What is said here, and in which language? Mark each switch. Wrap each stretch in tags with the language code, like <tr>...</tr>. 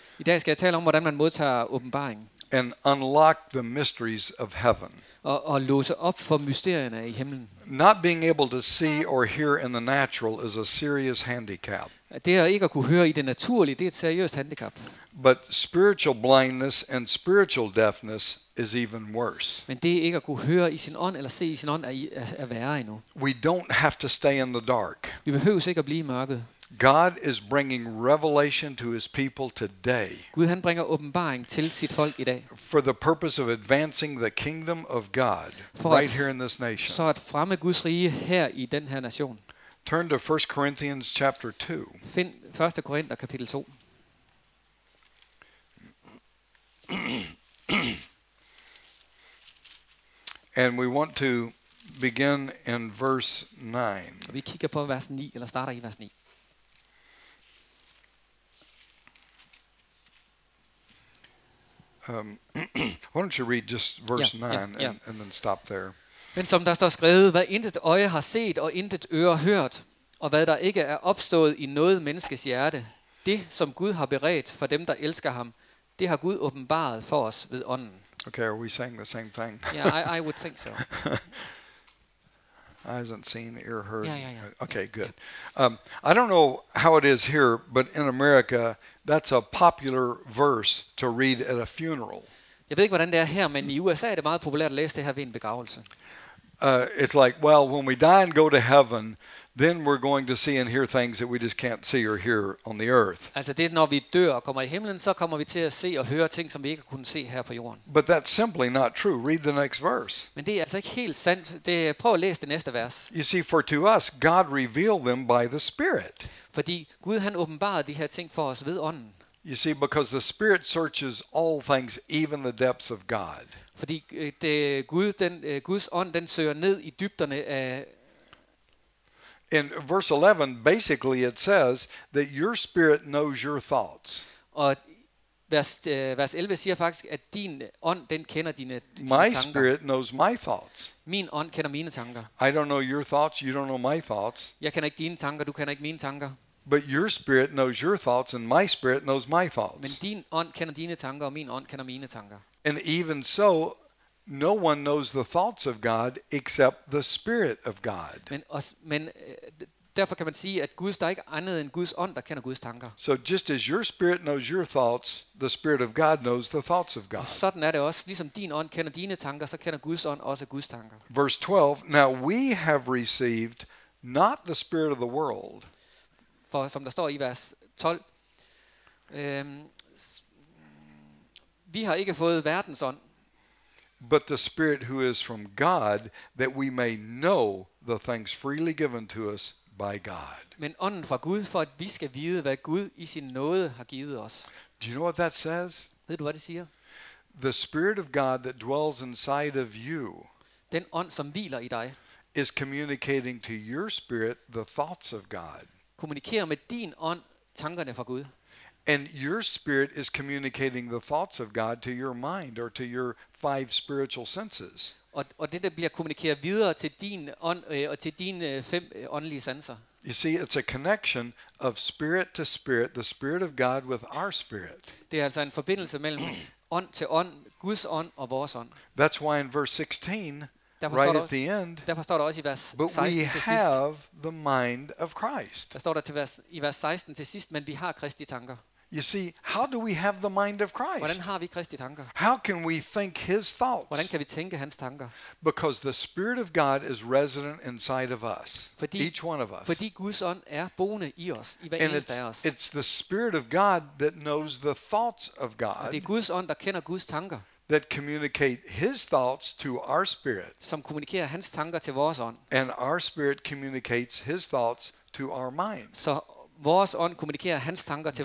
<da>I dag skal jeg tale om hvordan man modtager åbenbaring.</da> <en>And unlock the mysteries of heaven.</en> <da>Og låse op for mysterierne i himlen.</da> <en>Not being able to see or hear in the natural is a serious handicap.</en> <da>Det er ikke at kunne høre i det naturlige, det er et seriøst handicap.</da> <en>But spiritual blindness and spiritual deafness is even worse.</en> <da>Men det ikke at kunne høre i sin ånd eller se i sin ånd er værre endnu.</da> <en>We don't have to stay in the dark.</en> <da>Vi behøver ikke at blive i mørket.</da> <en>God is bringing revelation to his people today.</en> <da>Gud han bringer åbenbaring til sit folk i dag.</da> <en>For the purpose of advancing the kingdom of God right here in this nation.</en> <da>Så at fremme Guds rige her i den her nation.</da> <en>Turn to 1 Corinthians chapter 2.</en> <da>Find 1. Korinther kapitel 2.</da> <en>And we want to begin in verse 9.</en> <da>Vi kigger på vers 9 eller starter i vers 9.</da> <en>why don't you read just verse 9 and then stop there.</en> <da>Men som der står skrevet, hvad intet øje har set og intet øre hørt, og hvad der ikke er opstået i noget menneskes hjerte, det som Gud har beredt for dem der elsker ham, det har Gud åbenbaret for os ved ånden.</da> <en>Okay, are we saying the same thing? Yeah, I would think so. Eyes unseen, ear heard. Yeah. Okay, yeah. Good. I don't know how it is here, but in America, that's a popular verse to read at a funeral.</en> <da>Jeg ved ikke, hvordan det er her, men i USA er det meget populært at læse det her ved en begravelse.</da> <en>It's like, well, when we die and go to heaven, then we're going to see and hear things that we just can't see or hear on the earth.</en> <da>Altså det er, når vi dør og kommer i himlen, så kommer vi til at se og høre ting, som vi ikke kunne se her på jorden.</da> <en>But that's simply not true. Read the next verse.</en> <da>Men det er altså ikke helt sandt. Det er, prøv at læse det næste vers.</da> <en>You see, for to us, God revealed them by the Spirit.</en> <da>Fordi Gud han åbenbarede de her ting for os ved ånden.</da> <en>You see, because the Spirit searches all things, even the depths of God.</en> <da>Fordi det Gud, den Guds ånd, den søger ned i dybderne af.</da> <en>In verse 11, basically it says that your spirit knows your thoughts.</en> <da>Og vers 11 siger faktisk, at din ånd, den kender dine tanker.</da> <en>My spirit knows my thoughts.</en> <da>Min ånd kender mine tanker.</da> <en>I don't know your thoughts, you don't know my thoughts.</en> <da>Jeg kender ikke dine tanker, du kender ikke mine tanker.</da> <en>But your spirit knows your thoughts and my spirit knows my thoughts.</en> <da>Men din ånd kender dine tanker, og min ånd kender mine tanker.</da> <en>And even so, no one knows the thoughts of God except the Spirit of God.</en> <da>Men derfor kan man sige, at Gud, der er ikke andet end Guds ånd, der kender Guds tanker.</da> <en>So just as your spirit knows your thoughts, the Spirit of God knows the thoughts of God.</en> <da>Sådan er det også. Ligesom din ånd kender dine tanker, så kender Guds ånd også Guds tanker.</da> <en>Verse 12, now we have received not the spirit of the world.</en> <da>For som der står i vers 12, vi har ikke fået verdens ånd.</da> <en>But the Spirit who is from God, that we may know the things freely given to us by God.</en> <da>Men ånden fra Gud, for at vi skal vide, hvad Gud i sin nåde har givet os.</da> <en>Do you know what that says?</en> <da>Ved du, hvad det siger?</da> <en>The Spirit of God that dwells inside of you.</en> <da>Den ånd, som hviler i dig.</da> <en>Is communicating to your spirit the thoughts of God.</en> <da>Kommunikerer med din ånd tankerne fra Gud.</da> <en>And your spirit is communicating the thoughts of God to your mind or to your five spiritual senses.</en> <da>Og det der bliver kommunikeret videre til din ånd og til dine fem åndelige sanser.</da> <en>You see, it's a connection of spirit to spirit, the spirit of God with our spirit.</en> <da>Det er altså en forbindelse mellem ånd til ånd, Guds ånd og vores ånd.</da> <en>That's why in verse 16, right at the end,</en> <da>derfor står der også i vers 16</da> <en>but we</en> <da>til</da> <en>have</en> <da>sidst,</da> <en>the mind of Christ.</en> <da>Der står der til i vers 16 til sidst, men vi har Kristi tanker.</da> <en>You see, how do we have the mind of Christ?</en> <da>Hvordan har vi Kristi tanker?</da> <en>How can we think his thoughts?</en> <da>Hvordan kan vi tænke hans tanker?</da> <en>Because the Spirit of God is resident inside of us,</en> <da>fordi,</da> <en>each one of us.</en> <da>Fordi Guds ånd er boende i os, i hver eneste af os.</da> <en>And it's the Spirit of God that knows the thoughts of God.</en> <da>Og det er Guds ånd, der kender Guds tanker.</da> <en>That communicate his thoughts to our spirit.</en> <da>Som kommunikerer hans tanker til vores ånd.</da> <en>And our spirit communicates his thoughts to our mind.</en> <da>Så vores ånd kommunikerer hans tanker til</da>